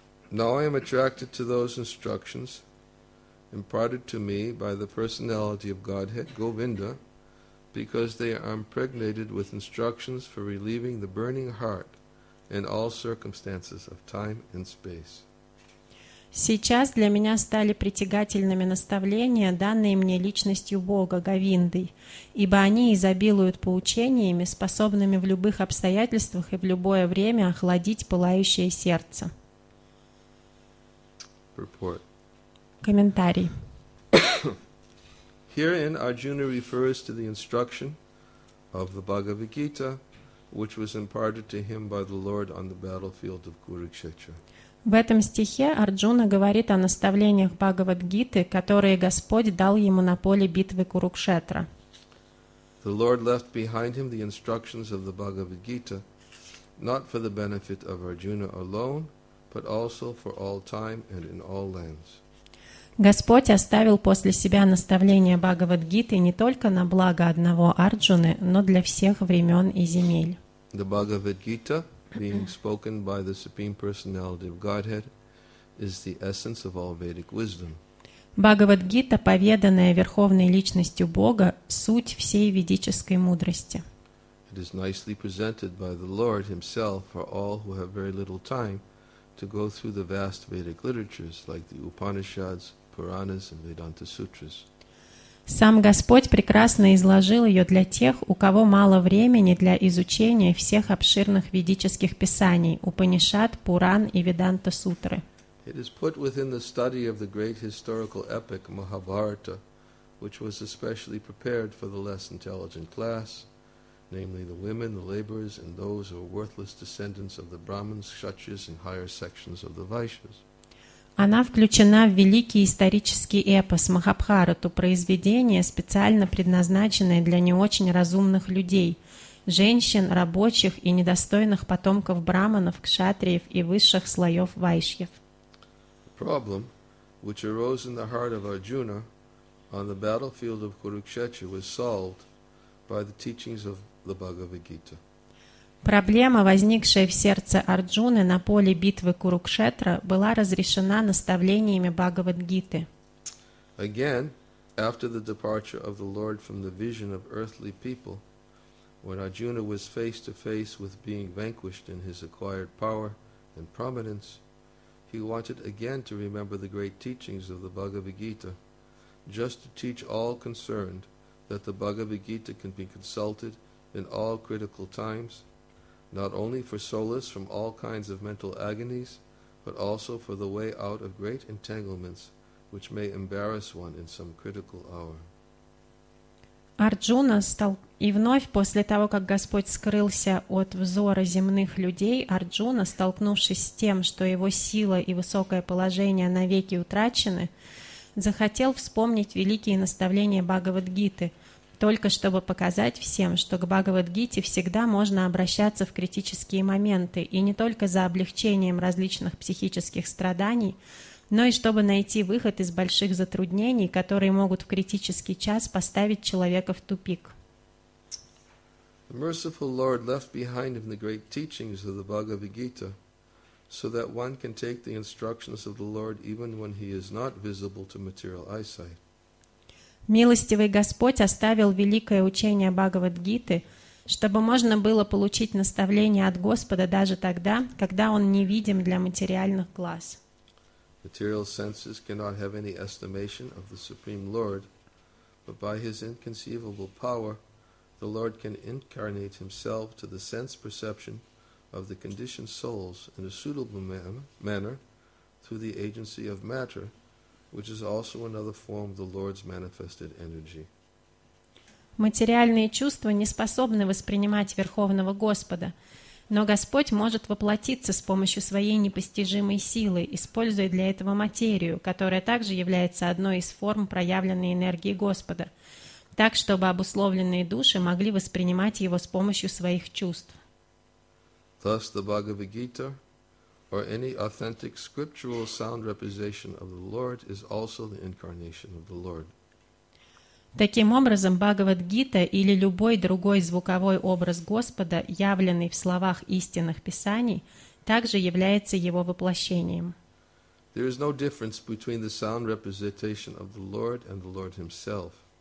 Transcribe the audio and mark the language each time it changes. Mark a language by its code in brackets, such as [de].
[en] Now I am attracted to those instructions imparted to me by the personality of Godhead, Govinda, because they are impregnated with instructions for relieving the burning heart in all circumstances of time and space. [ru] Сейчас для меня стали притягательными наставления, данные мне личностью Бога, Говиндой, ибо они изобилуют поучениями, способными в любых обстоятельствах и в любое время охладить пылающее сердце. [en] Purport. [ru] Комментарий. [en] Herein Arjuna refers to the instruction of the Bhagavad Gita, which was imparted to him by the Lord on the battlefield of Kurukshetra. [ru] В этом стихе Арджуна говорит о наставлениях Бхагавад-гиты, которые Господь дал ему на поле битвы Курукшетра. [en] The Lord left behind him the instructions of the Bhagavad-gita, not for the benefit of Arjuna alone, but also for all time and in all lands. [ru] Господь оставил после себя наставления Бхагавад-гиты не только на благо одного Арджуны, но для всех времен и земель. [en] The Bhagavad-gita being spoken by the Supreme Personality of Godhead is the essence of all Vedic wisdom. [ru] Бхагавад-гита, поведанная Верховной Личностью Бога, суть всей ведической мудрости. [en] It is nicely presented by the Lord himself for all who have very little time to go through the vast Vedic literatures like the Upanishads, Puranas and Vedanta Sutras. [ru] Сам Господь прекрасно изложил ее для тех, у кого мало времени для изучения всех обширных ведических писаний – Упанишад, Пуран и Веданта Сутры. [en] It is put within the study of the great historical epic Mahabharata, which was especially prepared for the less intelligent class, namely the women, the laborers, and those who are worthless descendants of the Brahmins, Kshatriyas, and higher sections of the Vaishyas. [ru] Она включена в великий исторический эпос Махабхарату, произведение, специально предназначенное для не очень разумных людей, женщин, рабочих и недостойных потомков браманов, кшатриев и высших слоев вайшьев. [en] Problem, which arose in the heart of Arjuna on the battlefield of Kurukshetra, was solved by the teachings of the Bhagavad Gita. [ru] Проблема, возникшая в сердце Арджуны на поле битвы Курукшетра, была разрешена наставлениями Бхагавад-гиты. [en] Again, after the departure of the Lord from the vision of earthly people, when Arjuna was face to face with being vanquished in his acquired power and prominence, he He wanted again to remember the great teachings of the Bhagavad Gita, just to teach all concerned that the Bhagavad Gita can be consulted in all critical times, not only for solace from all kinds of mental agonies, but also for the way out of great entanglements which may embarrass one in some critical hour. [ru] Арджуна стал и вновь после того, как Господь скрылся от взора земных людей, Арджуна, столкнувшись с тем, что его сила и высокое положение навеки утрачены, захотел вспомнить великие наставления Бхагавад-гиты, только чтобы показать всем, что к Бхагавад-гите всегда можно обращаться в критические моменты, и не только за облегчением различных психических страданий, но и чтобы найти выход из больших затруднений, которые могут в критический час поставить человека в тупик. [en] The merciful Lord left behind him the great teachings of the Bhagavad Gita, so that one can take the instructions of the Lord even when he is not visible to material eyesight. [ru] Милостивый Господь оставил великое учение Бхагавад-гиты, чтобы можно было получить наставление от Господа даже тогда, когда он невидим для материальных глаз. [en] Material senses cannot have any estimation of the Supreme Lord, but by His inconceivable power, the Lord can incarnate Himself to the sense perception of the conditioned souls in a suitable manner through the agency of matter, which is also another form of the Lord's manifested energy. [ru] Материальные чувства не способны воспринимать Верховного Господа, но Господь может воплотиться с помощью Своей непостижимой силы, используя для этого материю, которая также является одной из форм проявленной энергии Господа, так, чтобы обусловленные души могли воспринимать Его с помощью своих чувств. [en] Thus the Bhagavad Gita, or any authentic scriptural sound representation of the Lord, is also the incarnation of the Lord. [ru] Таким образом, Бхагавад-гита или любой другой звуковой образ Господа, явленный в словах истинных писаний, также является его воплощением. [en] There is no difference between the sound representation of the Lord and the Lord himself.